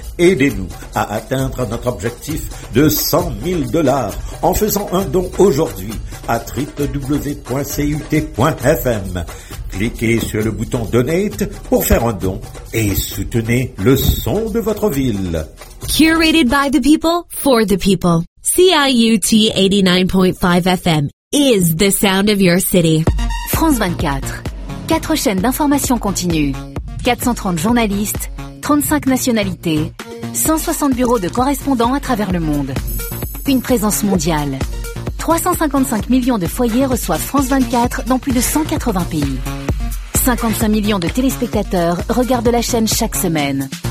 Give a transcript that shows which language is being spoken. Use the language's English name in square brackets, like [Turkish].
[French] Aidez-nous à atteindre notre objectif de 100 000 $ en faisant un don aujourd'hui à www.cut.fm. Cliquez sur le bouton Donate pour faire un don et soutenez le son de votre ville. [English] Curated by the people, for the people. CIUT 89.5 FM is the sound of your city. [French] France 24. 4 chaînes d'information continue. 430 journalistes, 35 nationalités, 160 bureaux de correspondants à travers le monde. Une présence mondiale. 355 millions de foyers reçoivent France 24 dans plus de 180 pays. 55 millions de téléspectateurs regardent la chaîne chaque semaine.